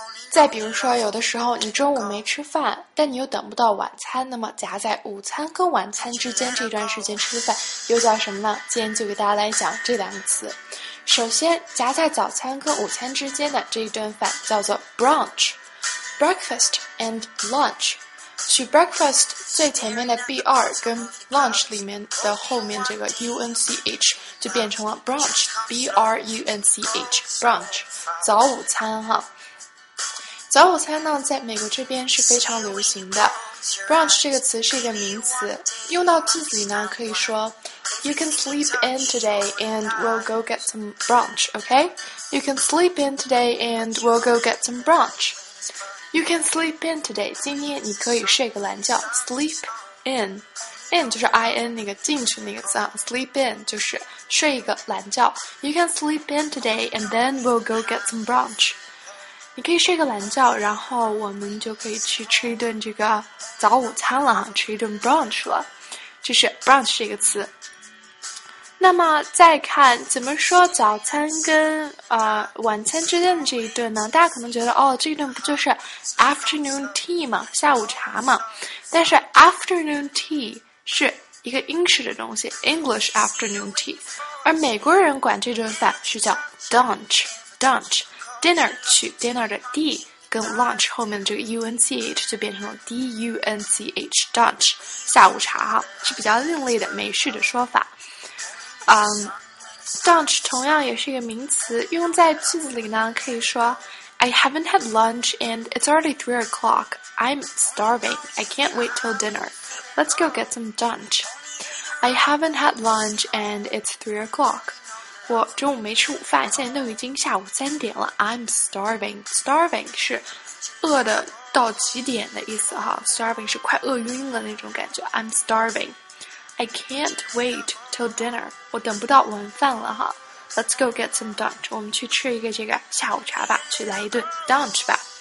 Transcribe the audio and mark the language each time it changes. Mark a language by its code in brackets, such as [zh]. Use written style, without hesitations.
[zh] 再比如说，有的时候你中午没吃饭，但你又等不到晚餐，那么夹在午餐跟晚餐之间这段时间吃的饭又叫什么呢？今天就给大家来讲这两个词。首先，夹在早餐跟午餐之间的这一顿饭叫做 brunch， [en] breakfast and lunch。 [zh] 取 breakfast 最前面的 br 跟 lunch 里面的后面这个 unch 就变成了 brunch， b r u n c h， brunch， 早午餐哈。早午餐呢在美国这边是非常流行的。 [en] Brunch [zh] 这个词是一个名词，用到句子里呢可以说 [en] You can sleep in today and we'll go get some brunch, okay? You can sleep in today and we'll go get some brunch. You can sleep in today, [zh] 今天你可以睡个懒觉。 Sleep in, in 就是 in 那个进去那个词啊， sleep in 就是睡一个懒觉。 [en] You can sleep in today and then we'll go get some brunch. [zh] 你可以睡个懒觉，然后我们就可以去吃一顿这个早午餐了哈，吃一顿 brunch 了，这是 brunch 这个词。那么再看怎么说早餐跟晚餐之间的这一顿呢？大家可能觉得哦，这一顿不就是 afternoon tea 吗？下午茶吗？但是 afternoon tea 是一个英式的东西 ， [en] English afternoon tea， [zh] 而美国人管这顿饭是叫 dunch。 Dinner 取 dinner 的 d 跟 lunch 后面的这个 unch 就变成了 dunch dunch 下午茶哈，是比较另类的美式的说法。 Dunch 同样也是一个名词，用在句子里呢，可以说 [en] I haven't had lunch and it's already 3 o'clock. I'm starving. I can't wait till dinner. Let's go get some dunch. I haven't had lunch and it's 3 o'clock. [zh] 我中午没吃午饭，现在都已经下午三点了。 [en] I'm starving. [zh] Starving 是饿的到极点的意思哈。 Starving 是快饿晕了那种感觉。 [en] I'm starving. I can't wait till dinner. [zh] 我等不到晚饭了哈。 [en] Let's go get some lunch. [zh] 我们去吃一个这个下午茶吧，去来一顿 lunch 吧。